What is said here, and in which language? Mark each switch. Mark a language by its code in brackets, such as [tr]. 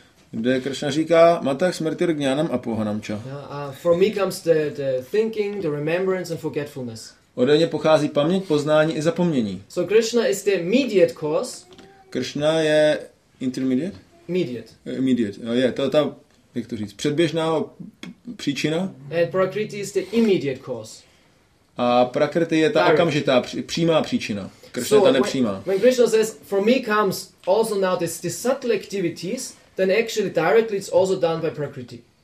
[cs] Kde Krishna říká [sa] matah smrtir gyanam apohanam cha. [en] From me comes the thinking, the remembrance and forgetfulness. [cs] Ode mě pochází paměť, poznání i zapomnění. [en] So Krishna is the immediate cause. [cs] Krishna je intermediate? [en] Immediate. [cs] No, yeah, to jak to říct, předběžná příčina. [en] And Prakriti is the immediate cause. [cs] A Prakriti je ta okamžitá, přímá příčina. Krishna je ta nepřímá. [en] When Krishna says, from me comes also now the subtle activities, then actually directly it's also done by Prakriti.